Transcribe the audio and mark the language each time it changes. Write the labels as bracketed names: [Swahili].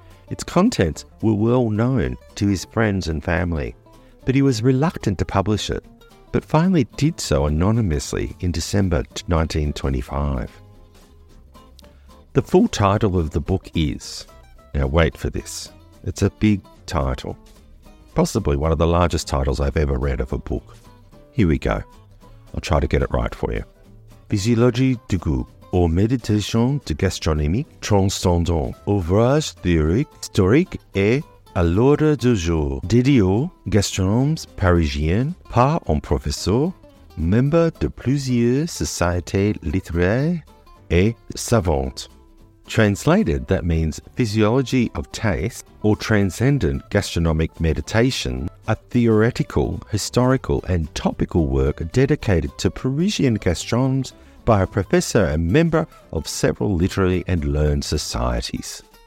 [English] Its contents were well known to his friends and family, but he was reluctant to publish it, but finally did so anonymously in December 1925. The full title of the book is, now wait for this, it's a big title, possibly one of the largest titles I've ever read of a book. Here we go. I'll try to get it right for you. [French] Physiologie du goût, or Méditation de gastronomie transcendante, ouvrage théorique, historique et à l'ordre du jour, dédié aux gastronomes parisiens par un professeur, membre de plusieurs sociétés littéraires et savantes. [English] Translated, that means Physiology of Taste or Transcendent Gastronomic Meditation, a theoretical, historical and topical work dedicated to Parisian gastronomes by a professor and member of several literary and learned societies.